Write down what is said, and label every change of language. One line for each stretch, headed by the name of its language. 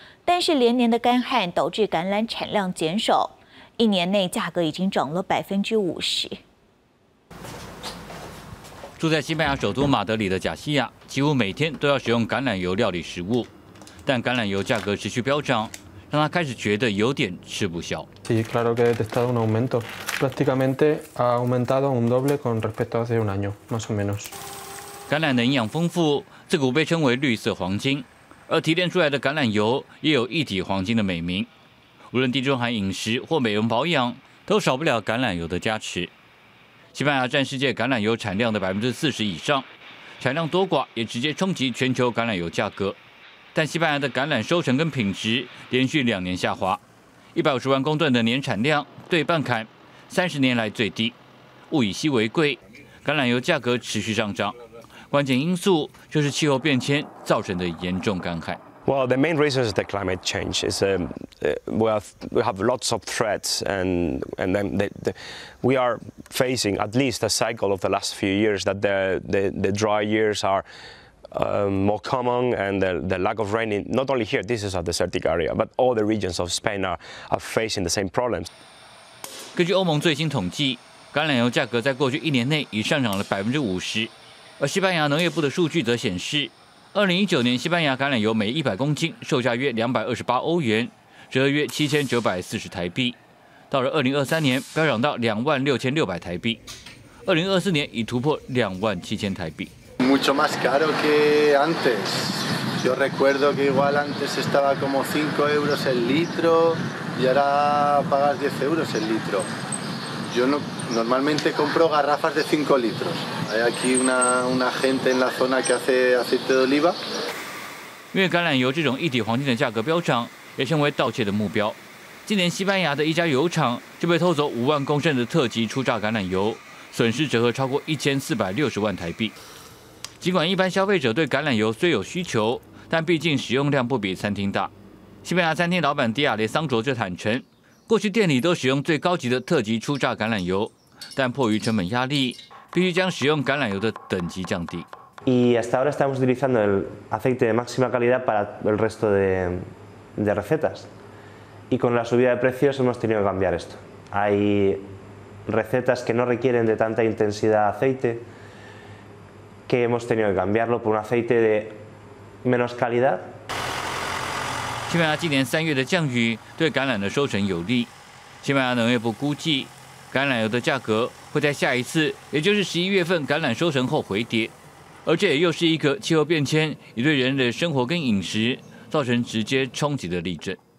Chinese: 但是连年的干旱导致橄榄产量减少，一年内价格已经涨了50%。住在西班牙首都马德里的贾西亚，几乎每天都要使用橄榄油料理食物，但橄榄油价格持续飙涨。让他开始觉得有点吃不消。
Spanish: Sí, claro que he detectado un aumento. Prácticamente ha aumentado un doble con respecto a hace un año, más o menos.
Chinese: 橄榄的营养丰富，自古被称为绿色黄金，而提炼出来的橄榄油也有一体黄金的美名。无论地中海饮食或美容保养，都少不了橄榄油的加持。西班牙占世界橄榄油产量的40%以上，产量多寡也直接冲击全球橄榄油价格。但西班牙的橄榄收成跟品质连续两年下滑，150万公吨的年产量对半砍，30年来最低。物以稀为贵，橄榄油价格持续上涨，关键因素就是气候变迁造成的严重干旱。
English: Well, the main reason is the climate change. It's a we have lots of threats, and then we are facing at least a cycle of the last few years that the dry years are. More common and the lack of rain, not only here, this is a desertic area, but all the regions of Spain are facing the same problems.
Chinese: 根据欧盟最新统计，橄榄油价格在过去一年内已上涨了50%，而西班牙农业部的数据则显示，2019年西班牙橄榄油每100公斤售价约228欧元，折约7940台币，到了2023年飙涨到26600台币，2024年已突破27000台币。
Spanish: Mucho más caro que antes. Yo recuerdo que igual antes estaba como 5 euros el litro y ahora pagas 10 euros el litro. Yo no, normalmente compro garrafas de 5 litros. Hay aquí una gente en la zona que hace aceite de oliva.
Chinese: 因为橄榄油这种一体黄金的价格飙涨，也成为盗窃的目标。今年西班牙的一家油厂就被偷走50000公升的特级初榨橄榄油，损失折合超过1460万台币。尽管一般消费者对橄榄油虽有需求，但毕竟使用量不比餐厅大。西班牙餐厅老板迪亚雷桑卓就坦诚，过去店里都使用最高级的特级初榨橄榄油，但迫于成本压力，必须将使用橄榄油的等级降低。
Spanish: Y hasta ahora estamos utilizando el aceite de máxima calidad para el resto de recetas. Y con la subida de precios hemos tenido que cambiar esto. Hay recetas que no requieren de tanta intensidad aceite. que hemos tenido que cambiarlo por un aceite de menos calidad.
Chinese: 西班牙今年3月的降雨对橄榄的收成有利。西班牙农业部估计，橄榄油的价格会在下一次，也就是11月份橄榄收成后回跌，而这也又是一个气候变迁已对人类的生活跟饮食造成直接冲击的例证。